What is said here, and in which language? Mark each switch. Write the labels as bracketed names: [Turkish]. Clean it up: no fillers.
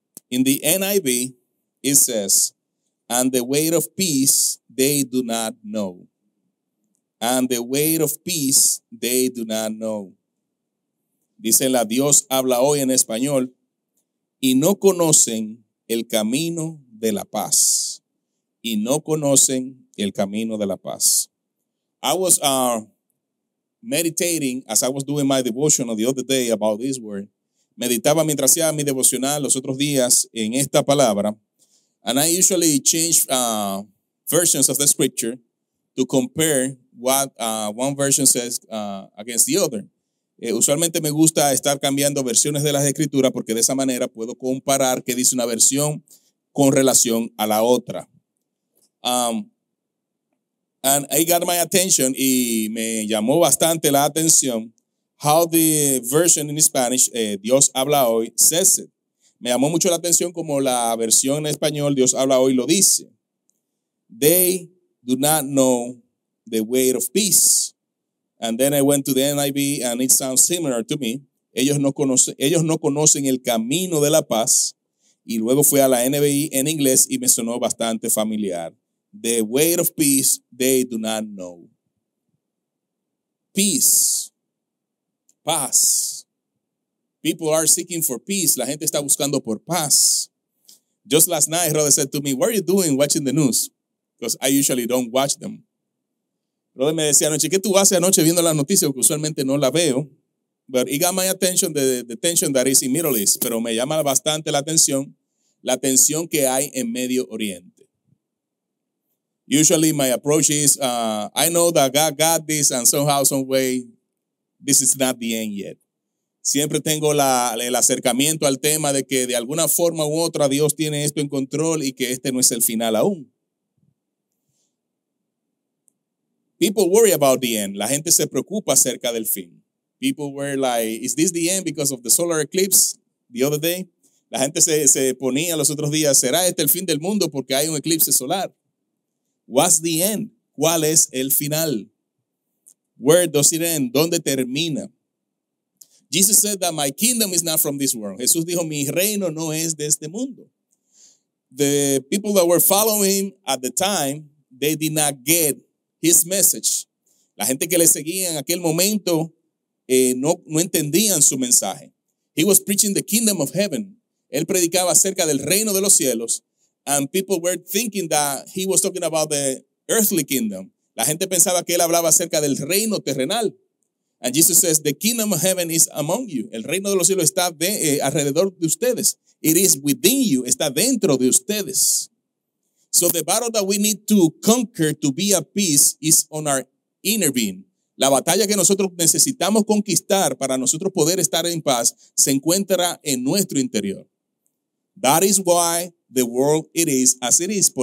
[English] In the NIV, it says, and the way of peace they do not know. And the way of peace they do not know. [Spanish] Dice la Dios habla hoy en español. Y no conocen el camino de la paz. Y no conocen el camino de la paz. [English] I was meditating as I was doing my devotional the other day about this word. [Spanish] Meditaba mientras hacía mi devocional los otros días en esta palabra. [English] And I usually change versions of the scripture to compare what one version says against the other. [Spanish] Usualmente me gusta estar cambiando versiones de las escrituras porque de esa manera puedo comparar qué dice una versión con relación a la otra. [English] And I got my attention [Spanish] y me llamó bastante la atención [English] how the version in Spanish, Dios habla hoy, says it. [Spanish] Me llamó mucho la atención como la versión en español, Dios habla hoy, lo dice. [English] They do not know the way of peace. And then I went to the NIV and it sounds similar to me. [Spanish] Ellos no conocen el camino de la paz. Y luego fui a la NVI en inglés y me sonó bastante familiar. [English] The way of peace they do not know. Peace. Paz. People are seeking for peace. [Spanish] La gente está buscando por paz. [English] Just last night, Rode said to me, what are you doing watching the news? Because I usually don't watch them. [Spanish] Rode me decía anoche, ¿qué tú haces anoche viendo las noticias? Porque usualmente no la veo. [English] But it got my attention, the tension that is in Middle East. [Spanish] Pero me llama bastante la tensión que hay en Medio Oriente. [English] Usually my approach is, I know that God got this and somehow, some way, this is not the end yet. [Spanish] Siempre tengo el acercamiento al tema de que de alguna forma u otra Dios tiene esto en control y que este no es el final aún. [English] People worry about the end. [Spanish] La gente se preocupa acerca del fin. [English] People were like, is this the end because of the solar eclipse the other day? [Spanish] La gente se ponía los otros días, ¿será este el fin del mundo porque hay un eclipse solar? [English] What's the end? [Spanish] ¿Cuál es el final? [English] Where does it end? [Spanish] ¿Dónde termina? [English] Jesus said that my kingdom is not from this world. [Spanish] Jesús dijo, mi reino no es de este mundo. [English] The people that were following him at the time, they did not get his message. [Spanish] La gente que le seguía en aquel momento no entendían su mensaje. [English] He was preaching the kingdom of heaven. [Spanish] Él predicaba acerca del reino de los cielos. [English] And people were thinking that he was talking about the earthly kingdom. [Spanish] La gente pensaba que él hablaba acerca del reino terrenal. [English] And Jesus says, the kingdom of heaven is among you. [Spanish] El reino de los cielos está alrededor de ustedes. [English] It is within you. [Spanish] Está dentro de ustedes. [English] So the battle that we need to conquer to be at peace is on our inner being. [Spanish] La batalla que nosotros necesitamos conquistar para nosotros poder estar en paz se encuentra en nuestro interior. [English] That is why the world it is as it is.